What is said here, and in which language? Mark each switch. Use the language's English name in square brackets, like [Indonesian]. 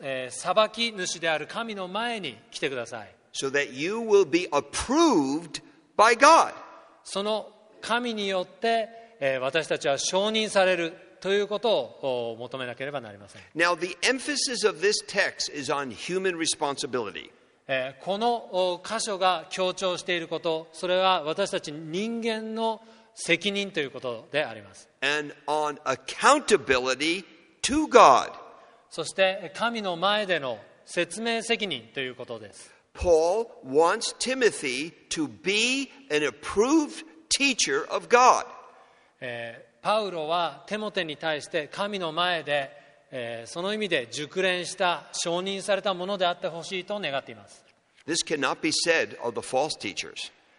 [Japanese] 裁き主である神の前に来てください。 [English] So that you will be approved by God. [Japanese] その神によって私たちは承認されるということを求めなければなりません。 [English] Now, the emphasis of this text is on human responsibility. [Japanese] この箇所が強調していること、それは私たち人間の責任ということであります。 [English] And on accountability to God. [Japanese] そして神の前での説明責任ということです。 [English] Paul wants Timothy to be an approved teacher of God. [Japanese] パウロはテモテに対して神の前で、その意味で熟練した承認されたものであってほしいと願っています。 [English] This cannot be said of the false teachers.